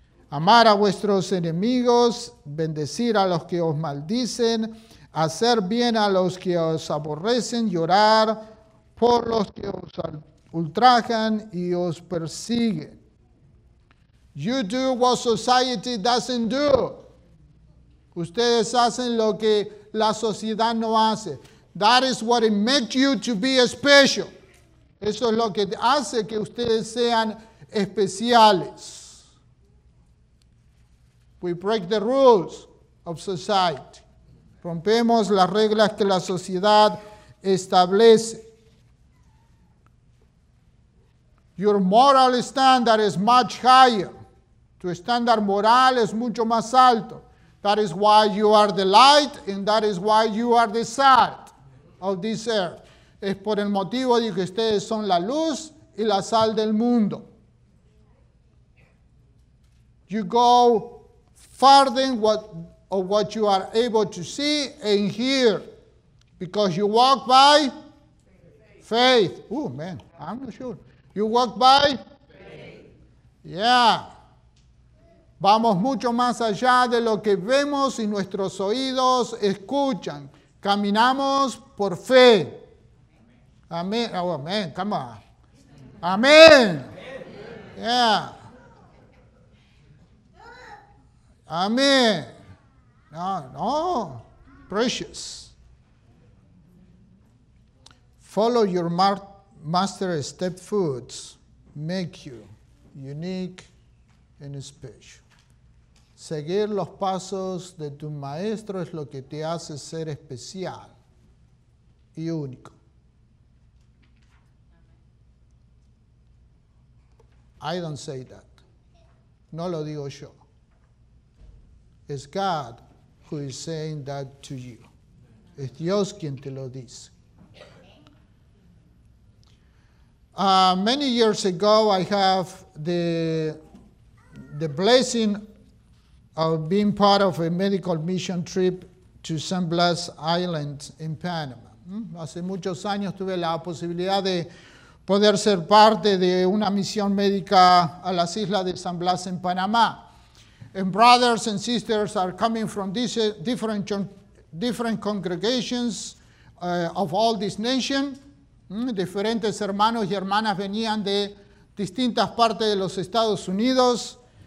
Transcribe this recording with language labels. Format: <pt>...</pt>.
<es>Amar a vuestros enemigos, bendecir a los que os maldicen, hacer bien a los que os aborrecen, llorar por los que os ultrajan y os persiguen.</es> <en>You do what society doesn't do.</en> <es>Ustedes hacen lo que la sociedad no hace.</es> <en>That is what it makes you to be special.</en> <es>Eso es lo que hace que ustedes sean especiales.</es> <en>We break the rules of society.</en> <es>Rompemos las reglas que la sociedad establece.</es> <en>Your moral standard is much higher.</en> <es>Tu estándar moral es mucho más alto.</es> <en>That is why you are the light, and that is why you are the salt of this earth.</en> <es>Es por el motivo de que ustedes son la luz y la sal del mundo.</es> <en>You go farther of what you are able to see and hear, because you walk by faith. Oh man, I'm not sure. You walk by faith. Yeah.</en> <es>Vamos mucho más allá de lo que vemos y nuestros oídos escuchan. Caminamos por fe. Amén. Oh, amén.</es> <en>Come on.</en> <es>Amén. Yeah. Amén. No, no. Precious.</es> <en>Follow your master step foods. Make you unique and special.</en> <es>Seguir los pasos de tu maestro es lo que te hace ser especial y único.</es> <en>I don't say that.</en> <es>No lo digo yo.</es> <en>It's God who is saying that to you.</en> <es>Es Dios quien te lo dice.</es> <en>Many years ago, I have the blessing of being part of a medical mission trip to San Blas Island in Panama.</en> <es>Hace muchos años tuve la posibilidad de poder ser parte de una misión médica a las islas de San Blas en Panamá.</es> <en>And brothers and sisters are coming from these different congregations of all these nations.</en> <es>Diferentes hermanos y hermanas venían de distintas partes de los Estados Unidos.</es>